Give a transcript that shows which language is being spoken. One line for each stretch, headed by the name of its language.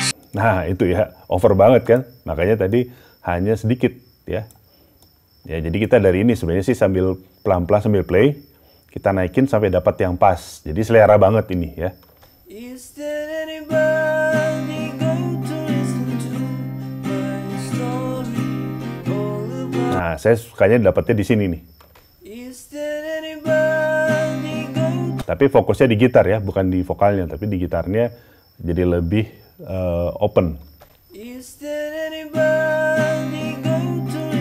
Indonesian: Nah, itu ya, over banget kan. Makanya tadi hanya sedikit, ya. Ya, jadi kita dari ini sebenarnya sih sambil pelan-pelan sambil play, kita naikin sampai dapat yang pas. Jadi selera banget ini ya.
English: Is there anybody going to listen to my story all about?
Indonesian: Nah, saya sukanya dapatnya di sini nih.
English: Is there anybody going to...
Indonesian: Tapi fokusnya di gitar ya, bukan di vokalnya, tapi di gitarnya jadi lebih open.
English: Is there anybody going to...